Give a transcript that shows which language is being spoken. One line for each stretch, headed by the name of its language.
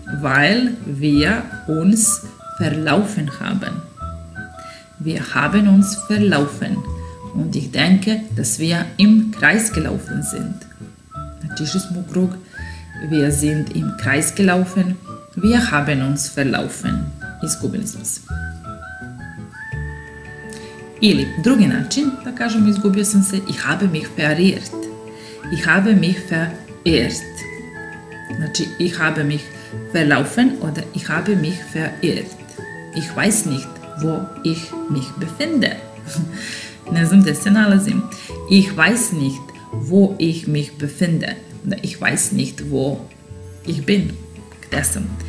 German: Weil wir uns verlaufen haben. Wir haben uns verlaufen. Und ich denke, dass wir im Kreis gelaufen sind. Natürlich ist mu krug. Wir sind im Kreis gelaufen. Wir haben uns verlaufen.
Serbian: Izgubili smo se. Ili drugi način, da kažem, izgubio sam se.
German: Ich habe mich verirrt. Ich habe mich verirrt. Znači, ich habe mich verlaufen oder ich habe mich verirrt. Ich weiß nicht, wo ich mich befinde.
Serbian: Ne znam gde se nalazim.
German: Ich weiß nicht, wo ich mich befinde. Ich weiß nicht, wo ich bin.
Serbian: Gde sam?